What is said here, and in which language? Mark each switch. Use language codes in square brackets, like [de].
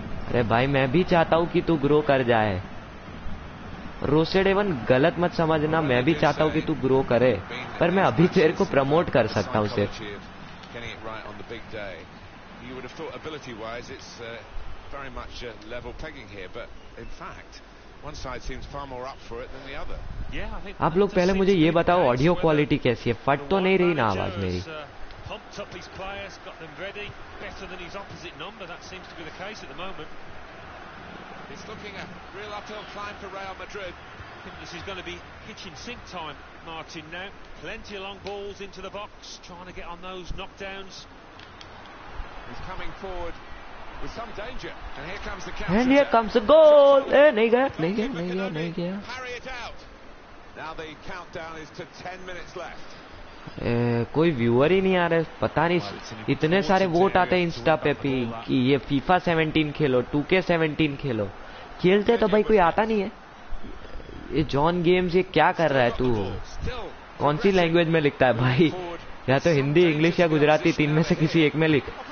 [hi] अरे भाई मैं भी चाहता हूं कि तू ग्रो कर जाए। रोस्टेड एवन गलत मत समझना, मैं भी चाहता हूं कि तू ग्रो करे, पर मैं अभी तेरे को प्रमोट कर सकता हूं सिर्फ। [en] You would have thought ability-wise it's very much a level pegging here, but in fact one side seems far more up for it than the other. Yeah, I think. [hi] आप लोग पहले मुझे ये बताओ ऑडियो क्वालिटी कैसी है, फट तो नहीं रही ना आवाज मेरी। [en] Pumped up his players, got them ready, better than his opposite number, that seems to be the case at the moment. It's looking a real uphill climb for Real Madrid. I think this is going to be kitchen sink time, Martin now. Plenty of long balls into the box, trying to get on those knockdowns. He's coming forward with some danger. And here comes the counter. And here comes the goal. [hi] Nahi gaya. [en] Carry it out. Now the countdown is to 10 minutes left. [hi] कोई viewer ही नहीं आ रहे, पता नहीं इतने सारे vote आते हैं Insta पे भी कि ये फीफा 17 खेलो, 2K17 खेलो। खेलते तो भाई कोई आता नहीं है। ये जॉन गेम्स ये क्या कर रहा है तू, कौन सी लैंग्वेज में लिखता है भाई, या तो हिंदी इंग्लिश या गुजराती, तीन में से किसी एक में लिख।